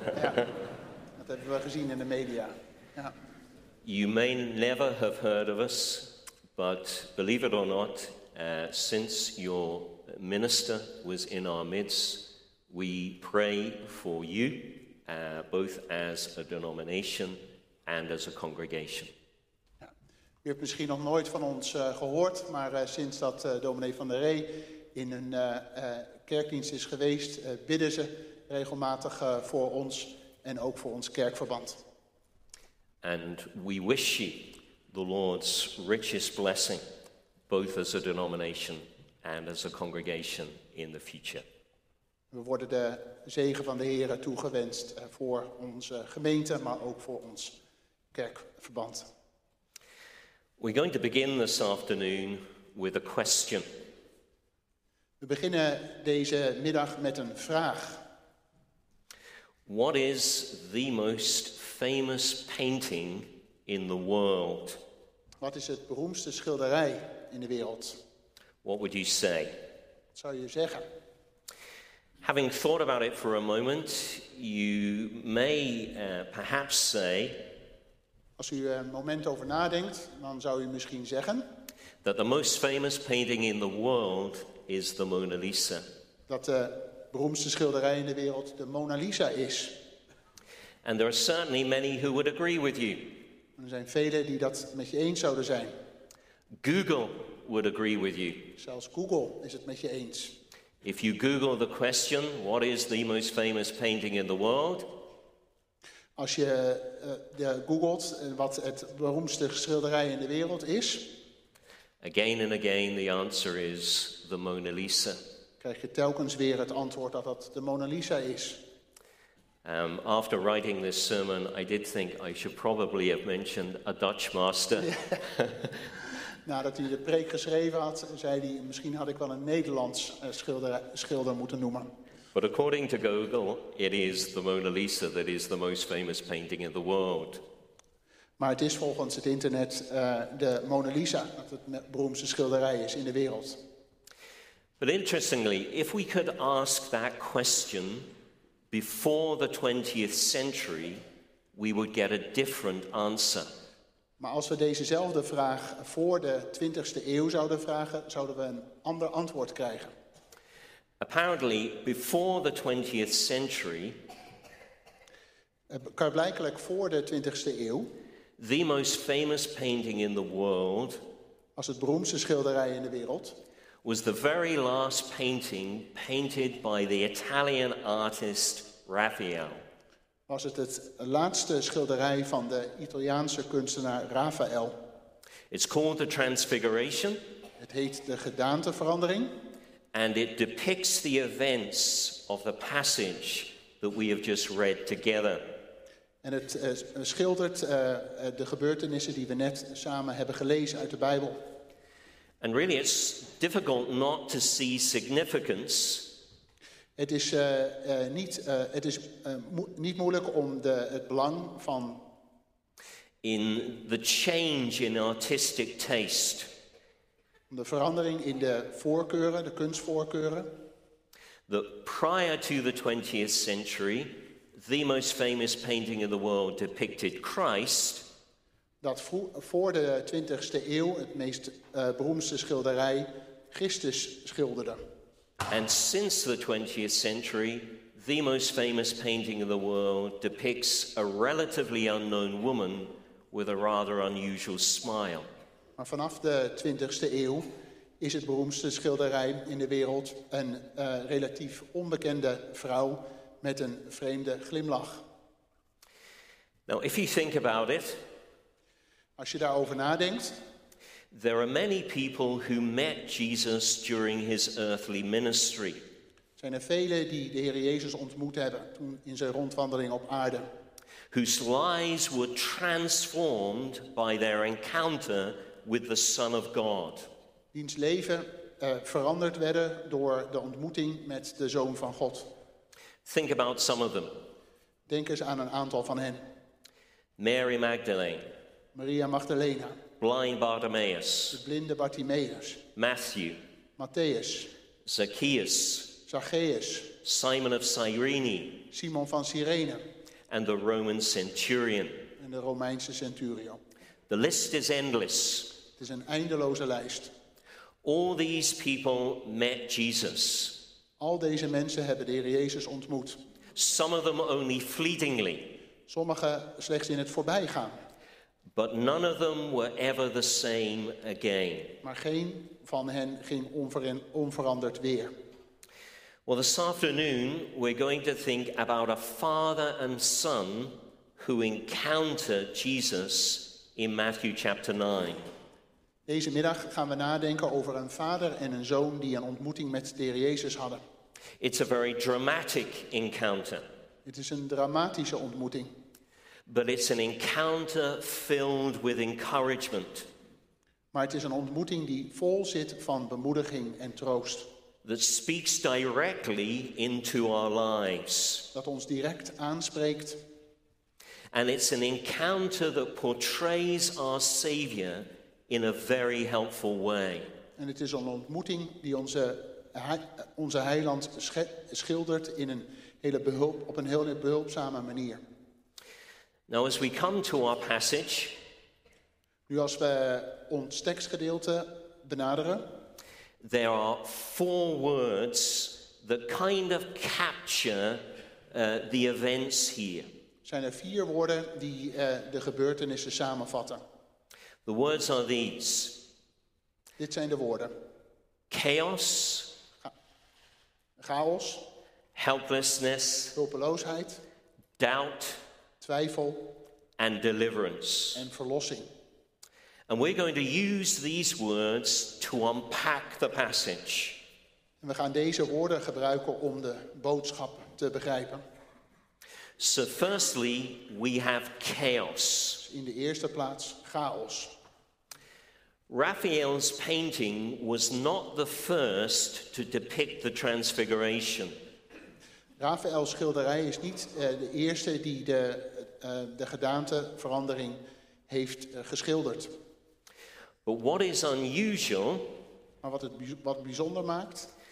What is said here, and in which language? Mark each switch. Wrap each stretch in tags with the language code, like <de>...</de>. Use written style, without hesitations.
<nl>Dat hebben we gezien in de media. Ja.</nl> <en>You may never have heard of us, but believe it or not, since your minister was in our midst, we pray for you, both as a denomination and as a congregation.</en> <nl>Ja. U hebt misschien nog nooit van ons gehoord, maar sinds dat dominee van der Ree in een kerkdienst is geweest, bidden ze regelmatig voor ons en ook voor ons kerkverband.</nl> <en>And we wish you the Lord's richest blessing, both as a denomination and as a congregation in the future.</en> <nl>We worden de zegen van de Heere toegewenst voor onze gemeente, maar ook voor ons kerkverband.</nl> <en>We're going to begin this afternoon with a question.</en> <nl>We beginnen deze middag met een vraag.</nl> <en>What is the most famous painting in the world?</en> <nl>Wat is het beroemdste schilderij in de wereld?</nl> <en>What would you say?</en> <nl>Wat zou je zeggen?</nl> <en>Having thought about it for a moment, you may perhaps say,</en> <nl>als u er een moment over nadenkt, dan zou u misschien zeggen,</nl> <en>that the most famous painting in the world is the Mona Lisa.</en> <nl>Dat de beroemdste schilderij in de wereld de Mona Lisa is.</nl> <en>And there are certainly many who would agree with you.</en> <nl>Er zijn velen die dat met je eens zouden zijn.</nl> <en>Google would agree with you.</en> <nl>Zelfs Google is het met je eens.</nl> <en>If you Google the question, what is the most famous painting in the world?</en> <nl>Als je googelt wat het beroemdste schilderij in de wereld is.</nl> <en>Again and again the answer is the Mona Lisa.</en> <nl>Krijg je telkens weer het antwoord dat dat de Mona Lisa is.</nl> <en>After writing this sermon, I did think I should probably have mentioned a Dutch master.</en> <nl>Nadat hij de preek geschreven had, zei hij, misschien had ik wel een Nederlands schilder moeten noemen.</nl> <en>But according to Google, it is the Mona Lisa that is the most famous painting in the world.</en> <nl>Maar het is volgens het internet de Mona Lisa, dat het beroemdste schilderij is in de wereld.</nl> <en>But interestingly, if we could ask that question before the 20th century, we would get a different answer.</en> <nl>Maar als we dezezelfde vraag voor de 20ste eeuw zouden vragen, zouden we een ander antwoord krijgen.</nl> <en>Apparently, before the 20th century,</en> <nl>blijkbaar voor de 20ste eeuw,</nl> <en>the most famous painting in the world,</en> <nl>was het beroemdste schilderij in de wereld,</nl> <en>was the very last painting painted by the Italian artist Raphael.</en> <nl>Was het laatste schilderij van de Italiaanse kunstenaar Raphael.</nl> <en>It's called the Transfiguration.</en> <nl>Het heet de gedaanteverandering.</nl> <en>And it depicts the events of the passage that we have just read together.</en> <nl>En het schildert de gebeurtenissen die we net samen hebben gelezen uit de Bijbel.</nl> <en>And really it's difficult not to see significance.</en> <nl>Het is niet moeilijk om het belang van</nl> <en>in the change in artistic taste.</en> <nl>Om de verandering in de voorkeuren, de kunstvoorkeuren.</nl> <en>That prior to the 20th century, the most famous painting in the world depicted Christ.</en> <nl>Dat voor de 20ste eeuw het meest beroemdste schilderij Christus schilderde.</nl> <en>And since the 20th century, the most famous painting in the world depicts a relatively unknown woman with a rather unusual smile.</en> <nl>Maar vanaf de 20e eeuw is het beroemdste schilderij in de wereld een relatief onbekende vrouw met een vreemde glimlach.</nl> <en>Now, if you think about it,</en> <nl>als je daarover nadenkt,</nl> <en>there are many people who met Jesus during his earthly ministry.</en> <nl>Zijn er velen die de Heer Jezus ontmoet hebben toen in zijn rondwandeling op aarde?</nl> <en>Whose lives were transformed by their encounter with the Son of God.</en> <nl>Wiens leven veranderd werden door de ontmoeting met de Zoon van God.</nl> <en>Think about some of them.</en> <nl>Denk eens aan een aantal van hen.</nl> <en>Mary Magdalene.</en> <nl>Maria Magdalena.</nl> <en>Blind Bartimaeus.</en> <nl>De blinde Bartimaeus.</nl> <en>Matthew.</en> <nl>Matthäus.</nl> <en>Zacchaeus.</en> <nl>Zacchaeus.</nl> <en>Simon of Cyrene.</en> <nl>Simon van Cyrene.</nl> <en>And the Roman centurion.</en> <nl>En de Romeinse centurio.</nl> <en>The list is endless.</en> <nl>Het is een eindeloze lijst.</nl> <en>All these people met Jesus.</en> <nl>Al deze mensen hebben de Heer Jezus ontmoet.</nl> <en>Some of them only fleetingly.</en> <nl>Sommigen slechts in het voorbijgaan.</nl> <en>But none of them were ever the same again.</en> <nl>Maar geen van hen ging onveranderd weer.</nl> <en>Well, this afternoon we're going to think about a father and son who encounter Jesus in Matthew chapter 9.</en> <nl>Deze middag gaan we nadenken over een vader en een zoon die een ontmoeting met de Heer Jezus hadden.</nl> <en>It's a very dramatic encounter.</en> <nl>Het is een dramatische ontmoeting.</nl> <en>But it's an encounter filled with encouragement.</en> <nl>Maar het is een ontmoeting die vol zit van bemoediging en troost.</nl> <en>That speaks directly into our lives.</en> <nl>Dat ons direct aanspreekt.</nl> <en>And it's an encounter that portrays our Savior in a very helpful way.</en> <nl>En het is een ontmoeting die onze Heiland schildert in een hele op een heel behulpzame manier.</nl> <en>Now as we come to our passage,</en> <nl>nu als we ons tekstgedeelte benaderen,</nl> <en>there are four words that kind of capture the events here.</en> <nl>Zijn er vier woorden die de gebeurtenissen samenvatten.</nl> <en>The words are these.</en> <nl>Dit zijn de woorden.</nl> <en>Chaos.</en> <nl>Chaos.</nl> <en>Helplessness.</en> <nl>Hulpeloosheid.</nl> <en>Doubt.</en> <nl>Twijfel.</nl> <en>And deliverance.</en> <nl>En verlossing.</nl> <en>And we're going to use these words to unpack the passage.</en> <nl>En we gaan deze woorden gebruiken om de boodschap te begrijpen.</nl> <en>So firstly, we have chaos.</en> <nl>In de eerste plaats chaos.</nl> <en>Raphael's painting was not the first to depict the transfiguration.</en> <nl>Raphael's schilderij is niet de eerste die de gedaanteverandering heeft geschilderd.</nl> <en>But what is unusual,</en> <nl>maar wat bijzonder maakt,</nl>